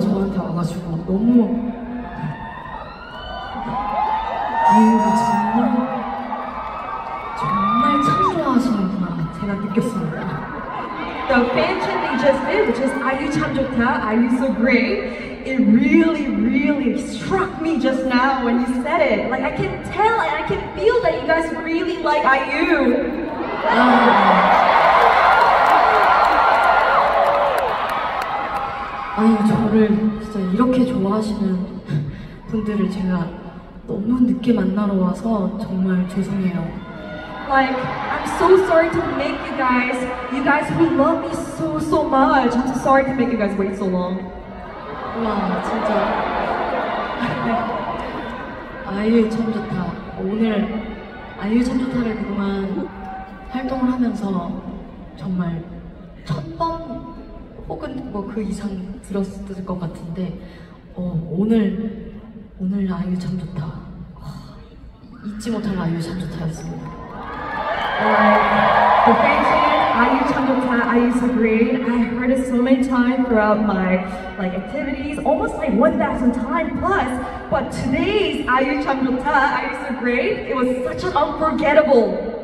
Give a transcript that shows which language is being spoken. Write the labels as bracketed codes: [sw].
[ko] 저한테 와가지고 너무 아이유가 정말 참 좋아하시는구나 제가 느꼈습니다. [en] The fan chanting just did, which is [ko] 아이유 참 좋다, [en] 아이유 so great. It really, really struck me just now when you said it. Like I can tell and I can feel that you guys really like IU. [ko] IU 저를 진짜 이렇게 좋아하시는 분들을 제가 너무 늦게 만나러 와서 정말 죄송해요. [en] Like I'm so sorry to make you guys who love me so so much. I'm so sorry to make you guys wait so long. [ko] 와 진짜 아이유 참 좋다. 오늘 아이유 참 좋다를 그동안 활동을 하면서 정말 첫 번 혹은 뭐 그 이상 들었을 것 같은데 오늘 아이유 참 좋다. 잊지 못할 아이유 참 좋다였습니다. [en] Aiyu [ko] 참 좋다, [en] Aiyu so great. I heard it so many times throughout my like activities, almost like 1,000 times plus. But today's Aiyu [ko] 참 좋다, [en] Aiyu so great. It was such an unforgettable.